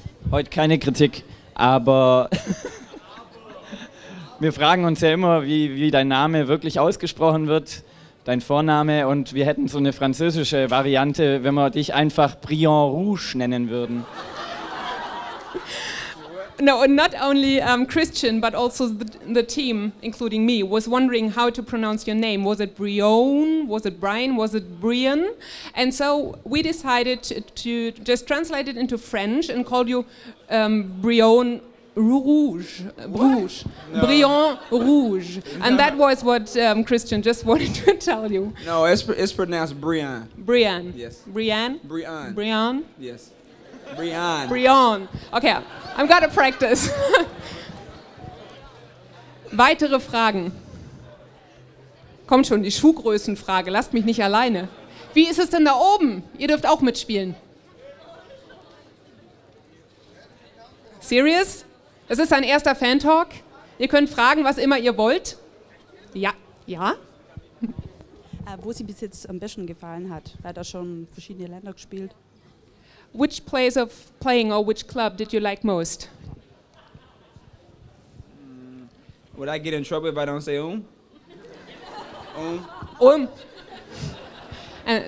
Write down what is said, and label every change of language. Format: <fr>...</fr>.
<de>Heute keine Kritik, aber wir fragen uns ja immer, wie dein Name wirklich ausgesprochen wird, dein Vorname, und wir hätten so eine französische Variante, wenn wir dich einfach Brian Rouge nennen würden.</de> <en>no, not only Christian, but also the team, including me, was wondering how to pronounce your name. Was it Brion? Was it Brian? Was it Brian? And so we decided to just translate it into French and called you Brion Rouge. Rouge. No. Brion Rouge. And that was what Christian just wanted to tell you. No, it's pronounced Brian. Brian. Yes. Brian. Brian. Brian. Yes. Brian. Brian. Okay, I've got to practice.</en> <de>Weitere Fragen. Kommt schon, die Schuhgrößenfrage. Lasst mich nicht alleine. Wie ist es denn da oben? Ihr dürft auch mitspielen.</de> <en>Serious?</en> <de>Es ist ein erster Fan-Talk. Ihr könnt fragen, was immer ihr wollt. Ja. Ja. Wo sie bis jetzt am besten gefallen hat? Hat er schon verschiedene Länder gespielt?</de> <en>Which place of playing or which club did you like most? Would I get in trouble if I don't say</en>